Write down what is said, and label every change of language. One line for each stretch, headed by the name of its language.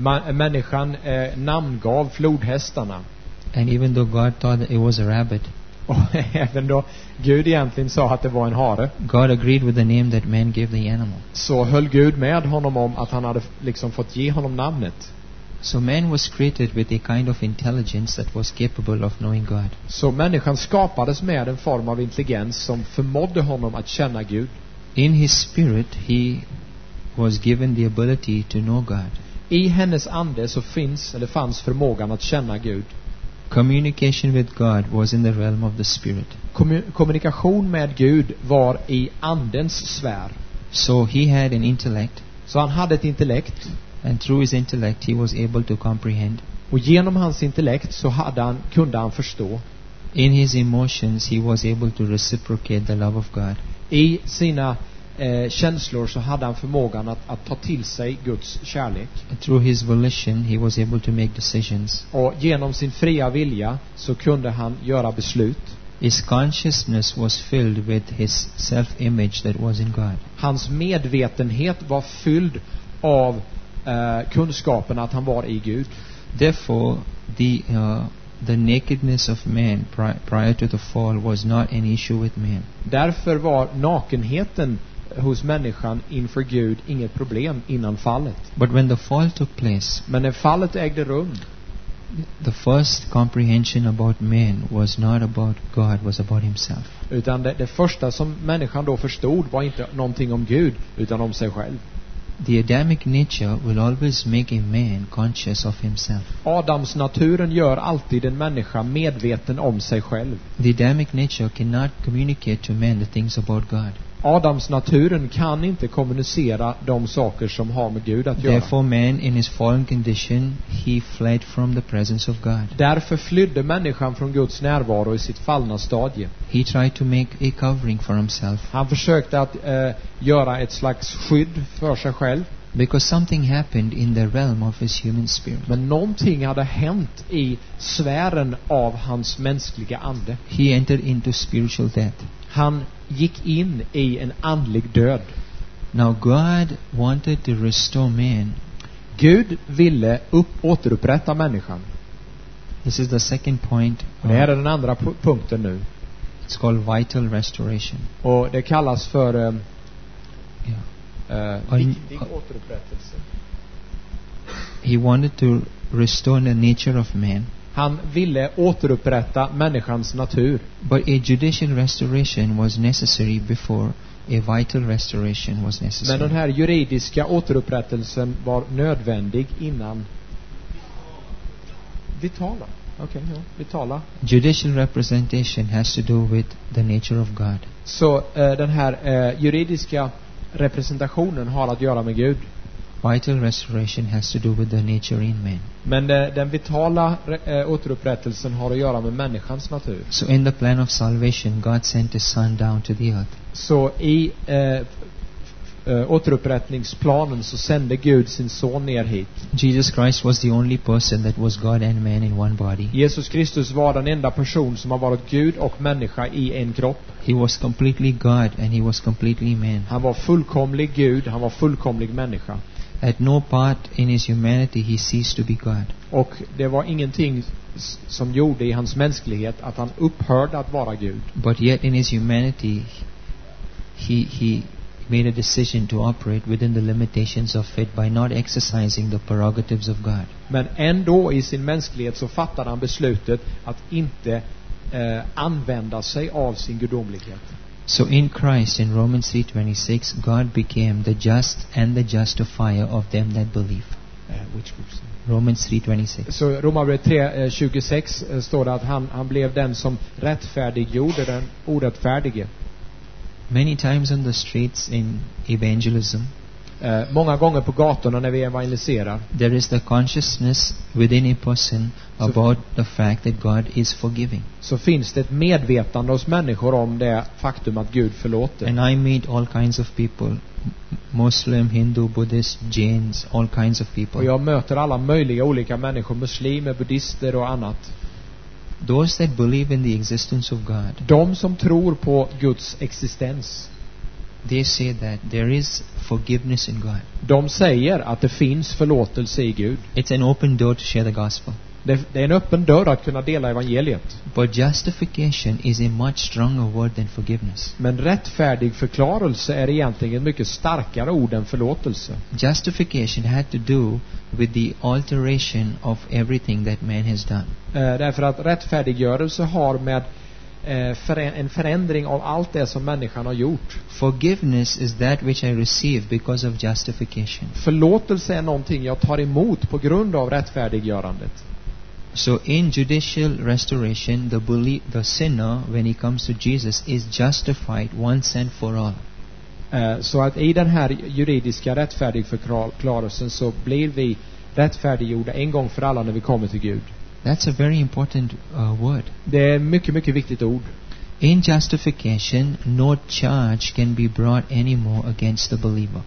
Swedish: Människan namngav flodhästarna.
English: And even though God thought it was a rabbit.
Swedish: Och även då Gud egentligen sa att det var en hare.
English: God agreed with the name that man gave the animal.
Swedish: Så höll Gud med honom om att han hade liksom fått ge honom namnet.
English: So man was created with a kind of intelligence that was capable of knowing God.
Swedish: Så människan skapades med en form av intelligens som förmådde honom att känna Gud.
English: In his spirit he was given the ability to know God.
Swedish: I hennes ande så fanns förmågan att känna Gud.
English: Communication with God was in the realm of the spirit.
Swedish: Kommunikation med Gud var i andens sfär.
English: So he had an intellect.
Swedish: Så han hade ett intellekt.
English: And through his intellect he was able to comprehend.
Swedish: Och genom hans intellekt så kunde han förstå.
English: In his emotions he was able to reciprocate the love of God.
Swedish: I sina känslor så hade han förmågan att ta till sig Guds kärlek.
English: And through his volition he was able to make decisions.
Swedish: Och genom sin fria vilja så kunde han göra beslut.
English: His consciousness was filled with his self-image that was in God.
Swedish: Hans medvetenhet var fylld av kunskapen att han var i Gud.
English: Therefore the nakedness of man prior to the fall was not an issue with man.
Swedish: Därför var nakenheten hos människan inför Gud inget problem innan fallet.
English: But when the fall took place,
Swedish: men när fallet ägde rum,
English: the first comprehension about man was not about God, was about himself.
Swedish: Utan det första som människan då förstod var inte någonting om Gud utan om sig själv.
English: The Adamic nature will always make a man conscious of himself.
Swedish: Adams naturen gör alltid en människa medveten om sig själv.
English: The Adamic nature cannot communicate to man the things about God.
Swedish: Adams naturen kan inte kommunicera de saker som har med Gud att göra.
English: Therefore man in his fallen condition he fled from the presence of God.
Swedish: Därför flydde människan från Guds närvaro i sitt fallna stadie.
English: He tried to make a covering for himself.
Swedish: Han försökte att göra ett slags skydd för sig själv.
English: Because something happened in the realm of his human spirit.
Swedish: Men någonting hade hänt i sfären av hans mänskliga ande.
English: He entered into spiritual death.
Swedish: Han gick in i en andlig död.
English: Now God wanted to restore man.
Swedish: Gud ville återupprätta människan.
English: This is the second point.
Swedish: Det här är den andra punkten nu.
English: It's called vital restoration.
Swedish: Och det kallas för viktig återupprättelse.
English: He wanted to restore the nature of man.
Swedish: Han ville återupprätta människans natur.
English: But a judicial restoration was necessary before a vital restoration was necessary.
Swedish: Men den här juridiska återupprättelsen var nödvändig innan vitala. Okej, okay, ja, vitala.
English: Judicial representation has to do with the nature of God.
Swedish: Så den här juridiska representationen har att göra med Gud.
English: Vital restoration has to do with the nature in man.
Swedish: Men den vitala återupprättelsen har att göra med människans natur.
English: So in the plan of salvation, God sent his son down to the earth.
Swedish: Så i återupprättningsplanen så sände Gud sin son ner hit.
English: Jesus Christ was the only person that was God and man in one body.
Swedish: Jesus Kristus var den enda person som har varit Gud och människa i en kropp.
English: He was completely God and he was completely man.
Swedish: Han var fullkomlig Gud, han var fullkomlig människa.
English: At no part in his humanity he ceased to be God.
Swedish: Och det var ingenting som gjorde i hans mänsklighet att han upphörde att vara Gud.
English: But yet in his humanity he made a decision to operate within the limitations of it by not exercising the prerogatives of God.
Swedish: Men ändå i sin mänsklighet så fattade han beslutet att inte använda sig av sin gudomlighet.
English: So in Christ, in Romans 3:26, God became the just and the justifier of them that believe. Which groups? Romans 3:26.
Swedish: So Romarbrevet 3:26 står det att han blev den som rättfärdiggjorde den orättfärdige.
English: Many times on the streets in evangelism,
Swedish: många gånger på gatorna när vi evangeliserar,
English: there is the consciousness within a person about the fact that God is forgiving.
Swedish: Så finns det ett medvetande hos människor om det faktum att Gud förlåter.
English: And I meet all kinds of people, Muslim, Hindu, Buddhist, Jains, all kinds of people.
Swedish: Och jag möter alla möjliga olika människor, muslimer, buddhister och annat.
English: Those that believe in the existence of God.
Swedish: De som tror på Guds existens.
English: They say that there is forgiveness in God.
Swedish: De säger att det finns förlåtelse i Gud.
English: It's an open door to share the gospel.
Swedish: Det är en öppen dörr att kunna dela evangeliet.
English: But justification is a much stronger word than forgiveness.
Swedish: Men rättfärdig förklarelse är egentligen mycket starkare ord än förlåtelse.
English: Justification had to do with the alteration of everything that man has done.
Swedish: Därför att rättfärdiggörelse har med en förändring av allt det som människan har gjort.
English: Forgiveness is that which I receive because of justification.
Swedish: Förlåtelse är någonting jag tar emot på grund av rättfärdiggörandet.
English: So in judicial restoration, the sinner when he comes to Jesus is justified once and for all.
Swedish: Så att i den här juridiska rättfärdigförklarelsen så blir vi rättfärdiggjorda en gång för alla när vi kommer till Gud.
English: That's a very important word.
Swedish: Det är mycket mycket viktigt ord.
English: In justification, no charge can be brought anymore against the believer.